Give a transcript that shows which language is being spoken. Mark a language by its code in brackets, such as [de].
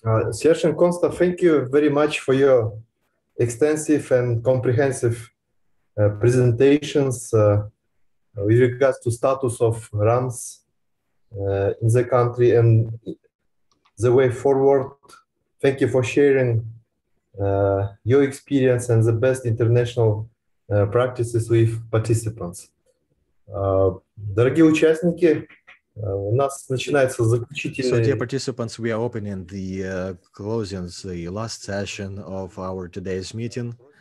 [en] Serge and Konstar, thank you very much for your extensive and comprehensive presentations with regards to status of RAMS in the country and the way forward. Thank you for sharing your experience and the best international practices with participants. [ru] Дорогие участники, у нас начинается заключительный... [en] So, dear participants, we are opening the closing, the last session of our today's meeting.